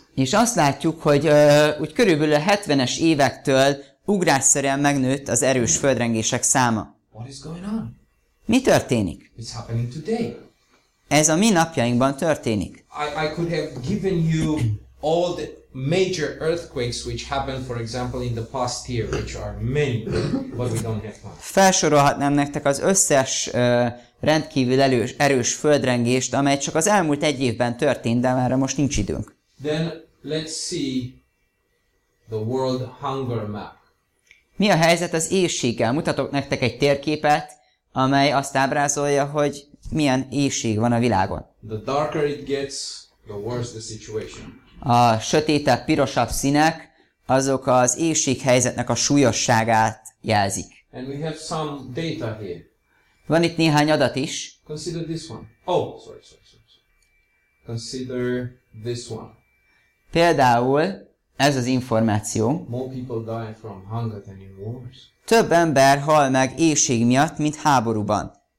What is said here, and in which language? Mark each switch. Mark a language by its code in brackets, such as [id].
[hu] És azt látjuk, hogy úgy körülbelül a 70-es évektől ugrásszerűen megnőtt az erős földrengések száma. [en] What is going on? [hu] Mi történik? [en] It's happening today. [hu] Ez a mi napjainkban történik. [en] I could have given you all the major earthquakes which happened, for example, in the past year, which are many, but we don't have time. [hu] Felsorolhatnám nektek az összes rendkívül erős földrengést, amely csak az elmúlt egy évben történt, de erre most nincs időnk. [en] Then let's see the world hunger map. [hu] Mi a helyzet az éhséggel? Mutatok nektek egy térképet, amely azt ábrázolja, hogy milyen éhség van a világon. [en] The darker it gets, the worse the situation. [hu] A sötétebb, pirosabb színek, azok az éhség helyzetnek a súlyosságát jelzik. [en] And we have some data here. [hu] Van itt néhány adat is. [en] Consider this one. Oh, sorry. Consider this one. [hu] Például ez az információ. [en] More people die from hunger than in wars. [hu] Több ember hal meg éhség miatt, mint háborúban.